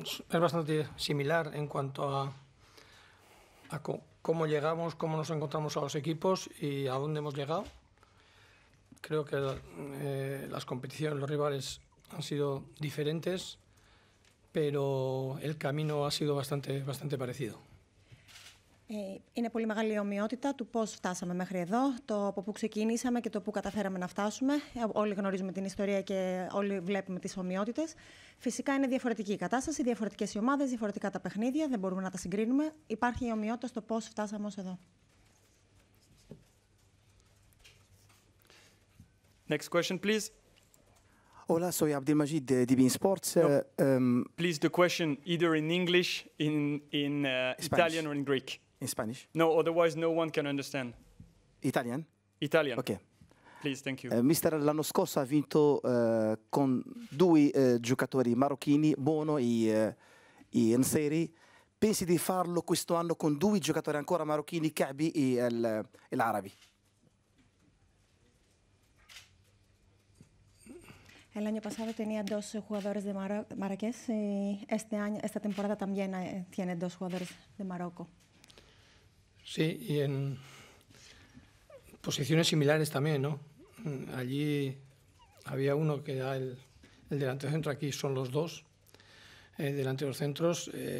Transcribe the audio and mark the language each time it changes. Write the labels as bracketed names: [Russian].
[Spanish] Es bastante similar en cuanto a cómo llegamos, cómo nos encontramos a los equipos y a dónde hemos llegado. Creo que las competiciones, los rivales han sido diferentes, pero el camino ha sido bastante parecido. [Greek] Είναι πολύ μεγάλη η ομοιότητα του πώς φτάσαμε μέχρι εδώ, το από πού ξεκινήσαμε και το πού καταφέραμε να φτάσουμε. Όλοι γνωρίζουμε την ιστορία και όλοι βλέπουμε τις ομοιότητες. Φυσικά είναι διαφορετική η κατάσταση, διαφορετικές οι ομάδες, διαφορετικά τα παιχνίδια, δεν μπορούμε να τα συγκρίνουμε. Υπάρχει η ομοιότητα στο πώς φτάσαμε ως εδώ. [English] Next question, please. [Spanish] Hola, soy Abdelmajid, DBN Sports. No. [English] Please, the question either in English, in Italian or in Greek. In Spanish? No, otherwise no one can understand. Italian? Italian. Okay. Please, thank you. [Italian] Mister, l'anno scorso ha vinto con due giocatori marocchini, Bono e Nseri. Pensi di farlo questo anno con due giocatori ancora marocchini, Kaabi e l'Arabi? [Spanish] El año pasado tenía dos jugadores de Marrakech y esta temporada también tiene dos jugadores de Marocco. Sí, y en posiciones similares también, ¿no? Allí había uno que era el delantero centro, aquí son los dos delanteros centros.